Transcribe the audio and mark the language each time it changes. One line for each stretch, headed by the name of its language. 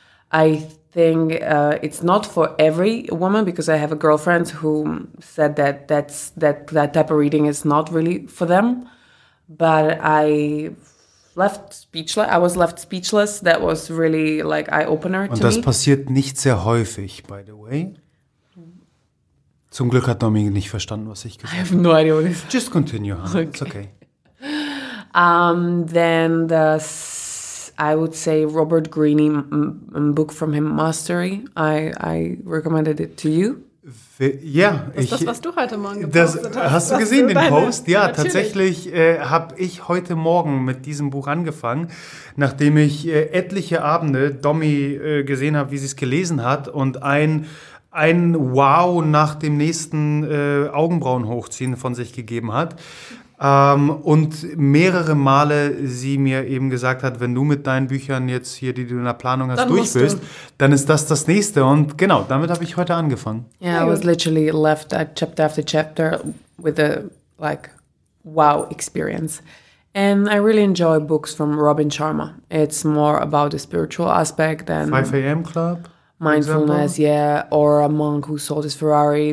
English: I think it's not for every woman, because I have a girlfriend who said that type of reading is not really for them. But I was left speechless. That was really like eye-opener to me.
German: Und das passiert nicht sehr häufig,
English: by the way.
German: Zum Glück hat Domi nicht verstanden, was ich gesagt habe.
English: I have no idea what it's... Just continue, huh? Okay. It's okay. Then I would say Robert Greene, book from him, Mastery. I recommended it to you.
German: Was du heute Morgen gepostet hast. Hast du gesehen, den Post? Ja, natürlich. Tatsächlich habe ich heute Morgen mit diesem Buch angefangen, nachdem ich etliche Abende Domi gesehen habe, wie sie es gelesen hat, und ein Wow nach dem nächsten Augenbrauen hochziehen von sich gegeben hat. Und mehrere Male sie mir eben gesagt hat, wenn du mit deinen Büchern jetzt hier, die du in der Planung hast, durch bist, dann ist das Nächste. Und genau, damit habe ich heute angefangen.
English: Yeah, I was literally left at chapter after chapter with a like wow experience. And I really enjoy books from Robin Sharma. It's more about the spiritual aspect than... 5 a.m. Club. Mindfulness, yeah, or a monk who sold his Ferrari.